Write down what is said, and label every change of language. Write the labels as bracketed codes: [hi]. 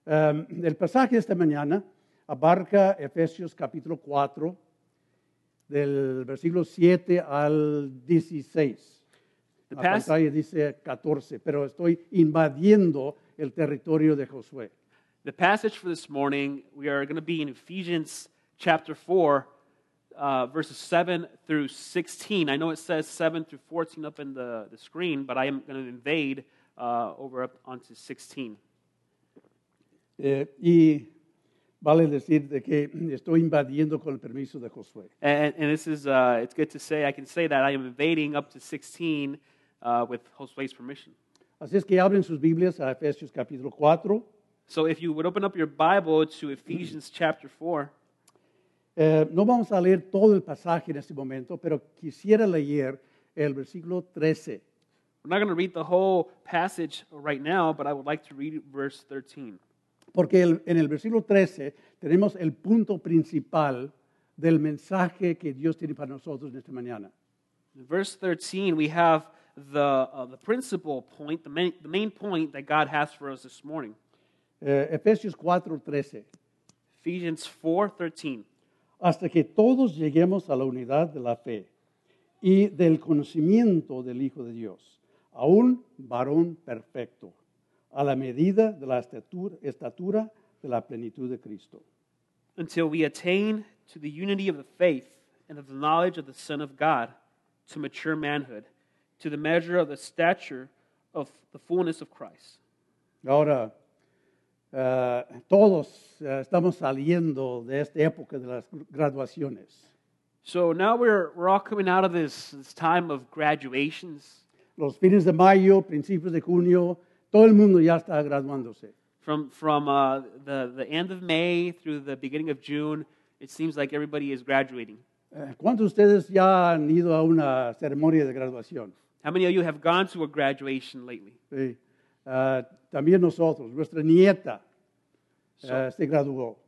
[es] El pasaje esta mañana abarca Efesios capítulo 4, del versículo 7 al 16. La pantalla dice 14, pero estoy invadiendo el territorio de Josué. [en] The passage for this morning, we are going to be in Ephesians chapter 4, verses 7 through 16. I know it says 7 through 14 up in the screen, but I am going to invade over up onto 16. [es] Y vale decir de que estoy invadiendo con el permiso de Josué. [en] And this is, it's good to say, I can say that I am invading up to 16 with Josué's permission. [es] Así es que abren sus Biblias a Efesios capítulo 4. [en] So if you would open up your Bible to Ephesians chapter 4. [es] No vamos a leer todo el pasaje en este momento, pero quisiera leer el versículo 13. [en] We're not going to read the whole passage right now, but I would like to read verse 13. [es] Porque en el versículo 13 tenemos el punto principal del mensaje que Dios tiene para nosotros en esta mañana. [en] In verse 13 we have the principal point, the main point that God has for us this morning. [es] Efesios 4:13. [en] Ephesians 4:13. [es] Hasta que todos lleguemos a la unidad de la fe y del conocimiento del Hijo de Dios, a un varón perfecto, a la medida de la estatura de la plenitud de Cristo. [en] Until we attain to the unity of the faith and of the knowledge of the Son of God, to mature manhood, to the measure of the stature of the fullness of Christ. [es] Ahora, todos estamos saliendo de esta época de las graduaciones. [en] So now we're all coming out of this time of graduations. [es] Los fines de mayo, principios de junio, todo el mundo ya está graduándose. [en] From the end of May through the beginning of June, it seems like everybody is graduating. [es] ¿Cuántos de ustedes ya han ido a una ceremonia de graduación? [en] How many of you have gone to a graduation lately? [es] Sí. También nosotros, nuestra nieta se graduó.